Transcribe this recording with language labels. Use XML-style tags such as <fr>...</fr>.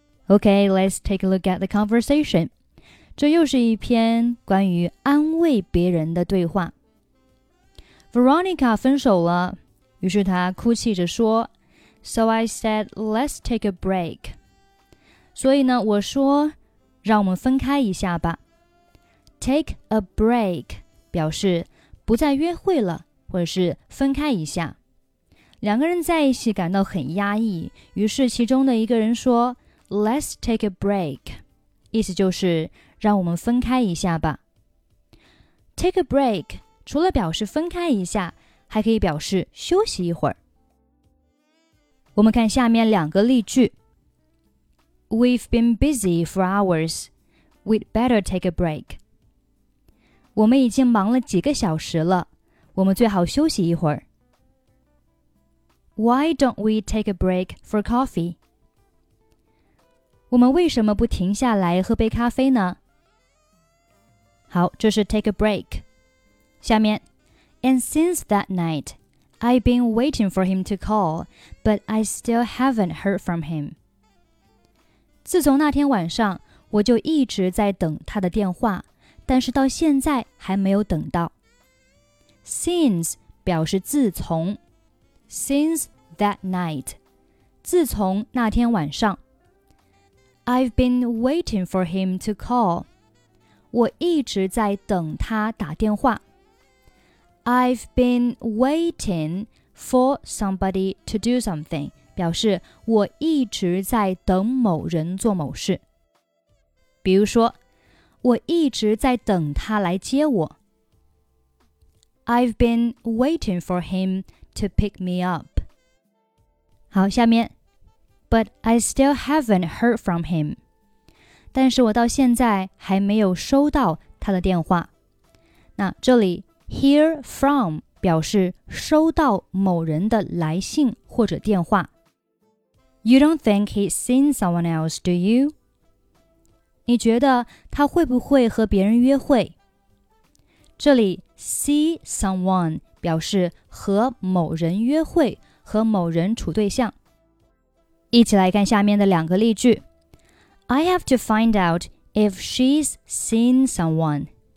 <en>Okay, let's take a look at the conversation.</en> <zh>这又是一篇关于安慰别人的对话。 Veronica 分手了，于是她哭泣着说</zh> <en>So I said, let's take a break.</en> <zh>所以呢，我说，让我们分开一下吧。 Take a break 表示不再约会了，或者是分开一下。两个人在一起感到很压抑，于是其中的一个人说</zh> <en>Let's take a break.</en> <zh>意思就是让我们分开一下吧。 Take a break, 除了表示分开一下，还可以表示休息一会儿。我们看下面两个例句。</zh> <en>We've been busy for hours. We'd better take a break.</en> <zh>我们已经忙了几个小时了，我们最好休息一会儿。</zh> <en>Why don't we take a break for coffee?</en> <zh>我们为什么不停下来喝杯咖啡呢？好，这是 take a break。</zh> <en>下面 ，And since that night, I've been waiting for him to call, but I still haven't heard from him.</en> <zh>自从那天晚上，我就一直在等他的电话，但是到现在还没有等到。 Since 表示自从 ，since that night， 自从那天晚上。</zh> <en>I've been waiting for him to call.</en> <zh>我一直在等他打电话。</zh> <en>I've been waiting for somebody to do something.</en> <zh>表示我一直在等某人做某事。比如说，我一直在等他来接我。</zh> <en>I've been waiting for him to pick me up. 好，下面。But I still haven't heard from him.</en> <zh>但是我到现在还没有收到他的电话。那这里 hear from 表示收到某人的来信或者电话。</zh> <en>You don't think he's seen someone else, do you?</en> <zh>你觉得他会不会和别人约会？这里 see someone 表示和某人约会，和某人处对象。一起来看下面的两个例句。</zh> <en>I have to find out if she's seen someone.</en>